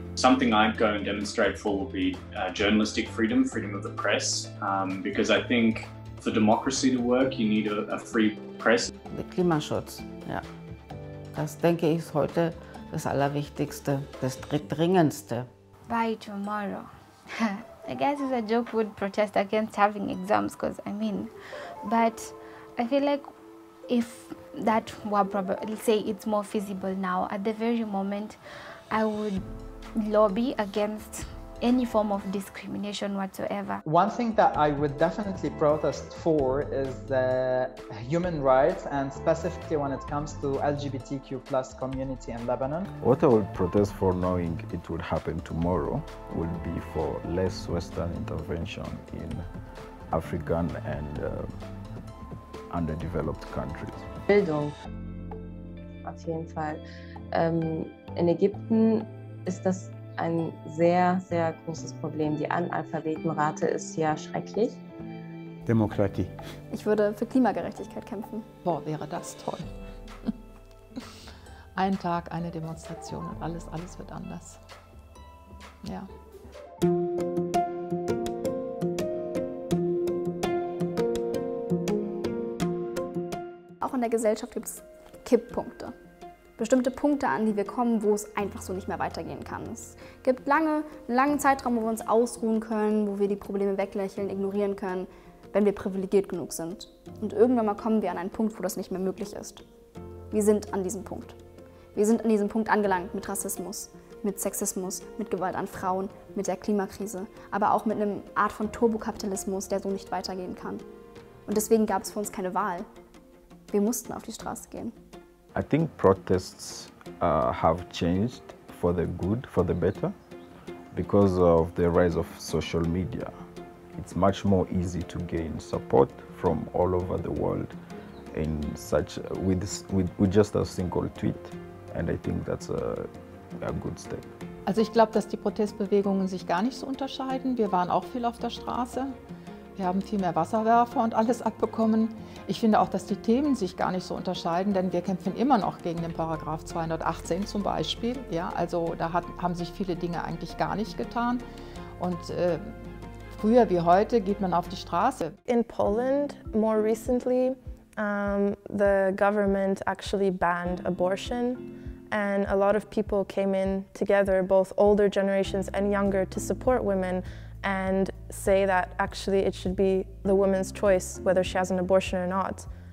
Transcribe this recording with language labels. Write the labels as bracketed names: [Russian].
[English] something I'd go and demonstrate for would be journalistic freedom, freedom of the press, because I think for democracy to work, you need a free press. [German] Der Klimaschutz, ja. Das denke ich ist heute das Allerwichtigste, das Dringendste. [English] By tomorrow. I guess it's a joke would protest against having exams, because I mean, but I feel like if that were probably, say it's more feasible now, at the very moment, I would lobby against any form of discrimination whatsoever. One thing that I would definitely protest for is the human rights, and specifically when it comes to LGBTQ plus community in Lebanon. What I would protest for, knowing it would happen tomorrow, would be for less Western intervention in African and underdeveloped countries. [German] Bildung. Auf jeden Fall. In Ägypten ist das ein sehr, sehr großes Problem. Die Analphabetenrate ist ja schrecklich. Demokratie. Ich würde für Klimagerechtigkeit kämpfen. Boah, wäre das toll. Ein Tag, eine Demonstration und alles wird anders. Ja. Auch in der Gesellschaft gibt es Kipppunkte. Bestimmte Punkte, an die wir kommen, wo es einfach so nicht mehr weitergehen kann. Es gibt einen langen Zeitraum, wo wir uns ausruhen können, wo wir die Probleme weglächeln, ignorieren können, wenn wir privilegiert genug sind. Und irgendwann mal kommen wir an einen Punkt, wo das nicht mehr möglich ist. Wir sind an diesem Punkt. Wir sind an diesem Punkt angelangt mit Rassismus, mit Sexismus, mit Gewalt an Frauen, mit der Klimakrise, aber auch mit einer Art von Turbokapitalismus, der so nicht weitergehen kann. Und deswegen gab es für uns keine Wahl. Wir mussten auf die Straße gehen. [English] I think protests have changed for the good, for the better, because of the rise of social media. It's much more easy to gain support from all over the world in such with just a single tweet, and I think that's a good step. [German] Also ich glaube, dass die Protestbewegungen sich gar nicht so unterscheiden. Wir waren auch viel auf der Straße. Wir haben viel mehr Wasserwerfer und alles abbekommen. Ich finde auch, dass die Themen sich gar nicht so unterscheiden, denn wir kämpfen immer noch gegen den Paragraph 218 zum Beispiel. Ja, also da haben sich viele Dinge eigentlich gar nicht getan. Und früher wie heute geht man auf die Straße. [English] In Poland, more recently, the government actually banned abortion. And a lot of people came in together, both older generations and younger, to support women. And say that actually it should be the woman's choice whether she has an abortion or not.